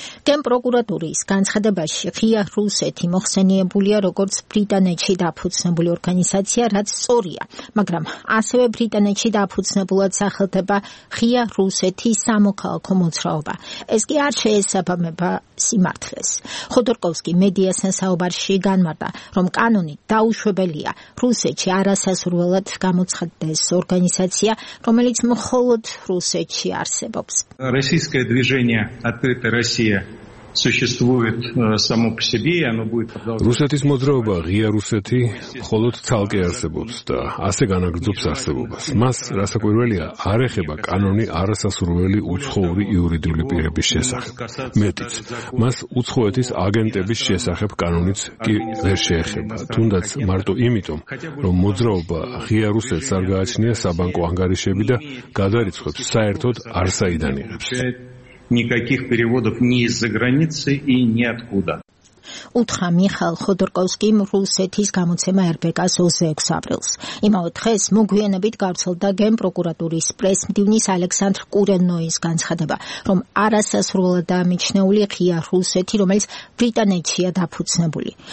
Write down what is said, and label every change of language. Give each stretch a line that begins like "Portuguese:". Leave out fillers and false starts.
Georgian: გენ პროკურატურის განცხადებაში ღია რუსეთი მოხსენიებულია როგორც ბრიტანეთში დაფუძნებული ორგანიზაცია, რაც სწორია, მაგრამ ასევე ბრიტანეთში დაფუძნებულად სახელდება ღია რუსეთის სამოქალაქო მოძრაობა. ეს კი არ შეესაბამება სიმართლეს. კოვსკი მედიასთან საუბარში განმარტა, რომ კანონი დაუშვებელია რუსეთში არასასურველად გამოცხადდეს ორგანიზაცია, რომელიც მხოლოდ რუსეთში არსებობს.
Russian: Российское движение Открытая Россия существует само по себе, оно будет продолжать.
Georgian: Русетис мозроба ღია რუსეთი მხოლოდ ცალკე არსებობს და ასე განაგრძობს არსებობას. მას რასაკვირველია, არ ეხება კანონი არასასურველი უცხოური იურიდიული პირების შესახებ. მეტიც, მას უცხოეთის აგენტების შესახებ კანონიც კი ვერ შეეხება, თუნდაც მარტო იმიტომ, რომ მოძრაობა ღია რუსეთს არ გააჩნია საბანკო ანგარიშები და გადარიცხვებს საერთოდ არ საიდან იღებს.
Russian: Никаких переводов ни из-за границы и ниоткуда.
Georgian: უთხრა მიხაილ ხოდორკოვსკიმ რუსეთის გამოცემა RBK-ს 26 აპრილს. იმავე დღეს მოგვიანებით გავრცელდა გენპროკურატურის პრესმდივნის ალექსანდრ კურენოის განცხადება, რომ არასასურველად მიჩნეული ღია რუსეთი, რომელიც ბრიტანეთშია დაფუძნებული.